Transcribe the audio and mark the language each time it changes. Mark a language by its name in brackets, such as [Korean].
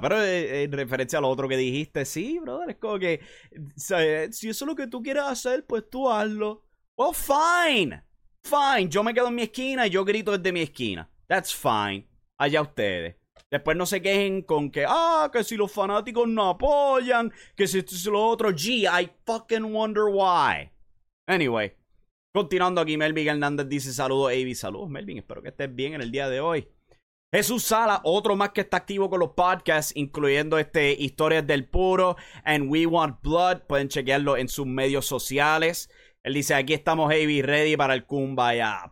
[Spanish] Pero en referencia a lo otro que dijiste, sí, brother, es como que, ¿sabes? Si eso es lo que tú quieres hacer, pues tú hazlo. [English] Well, fine. [Spanish] Yo me quedo en mi esquina y yo grito desde mi esquina. [English] That's fine. [Spanish] Allá ustedes. Después no se quejen con que, que si los fanáticos no apoyan, que si esto es lo otro. [English] Gee, I fucking wonder why. [Spanish] Anyway, continuando aquí, Melvin Hernández dice, saludos, Avi. Saludos, Melvin. Espero que estés bien en el día de hoy. Jesús Sala, otro más que está activo con los podcasts, incluyendo Historias del Puro and We Want Blood. Pueden chequearlo en sus medios sociales. Él dice, aquí estamos, Avi, ready para el Kumbaya.